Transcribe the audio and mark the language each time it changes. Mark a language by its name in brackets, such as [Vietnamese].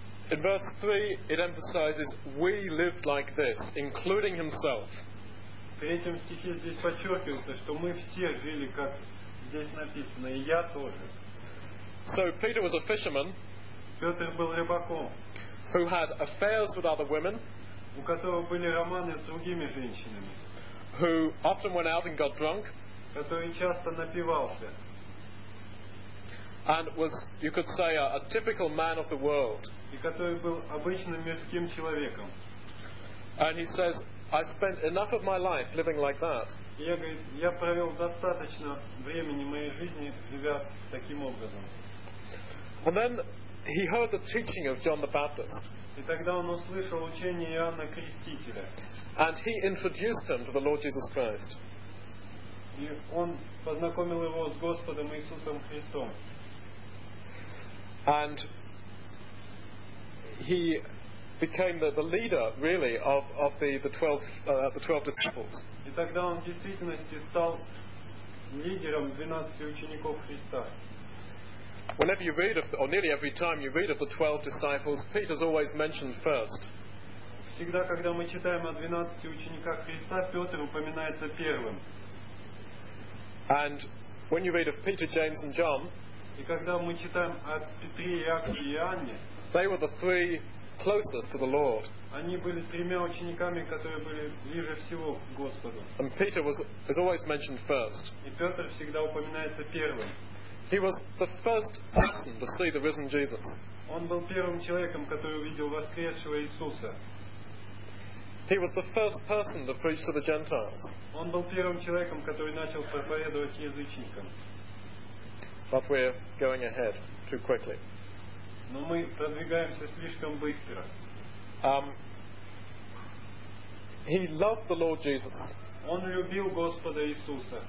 [English] In verse 3, it emphasizes we lived like this, including himself. [Russian] В третьем стихе здесь подчеркивается, что мы все жили, как здесь написано, и я тоже. [English] So Peter was a fisherman. [Russian] Петр был рыбаком. [English] Who had affairs with other women, [Russian] у которого были романы с другими женщинами, [English] who often went out and got drunk, [Russian] который часто напивался, [English] and was, you could say, a typical man of the world, [Russian] и который был обычным мирским человеком. [English] And he says, I spent enough of my life living like that. [Russian] Я говорит, я провел достаточно времени моей жизни, живя таким образом. [English] And then he heard the teaching of John the Baptist. [Russian] И тогда он услышал учение Иоанна Крестителя. [English] And he introduced him to the Lord Jesus Christ. [Russian] И он познакомил его с Господом Иисусом Христом. [English] And he became the leader, really, of the twelve disciples. [Russian] И тогда он в действительности стал лидером 12 учеников Христа. [English] Whenever you read of, or nearly every time you read of the 12 disciples, Peter's always mentioned first. [Russian] Всегда, когда мы читаем о 12 учениках Христа, Петр упоминается первым. [English] And when you read of Peter, James, and John, [Russian] и когда мы читаем о Петре, Иакове и Иоанне, [English] they were the three closest to the Lord. [Russian] Они были тремя учениками, которые были ближе всего к Господу. [English] And Peter was always mentioned first. [Russian] И Петр всегда упоминается первым. [English] He was the first person to see the risen Jesus. [Russian] Он был первым человеком, который увидел воскресшего Иисуса. [English] He was the first person to preach to the Gentiles. [Russian] Он был первым человеком, который начал проповедовать язычникам. [English] But we're going ahead too quickly. [Russian] Но мы продвигаемся слишком быстро. [English] He loved the Lord Jesus. [Russian] Он любил Господа Иисуса.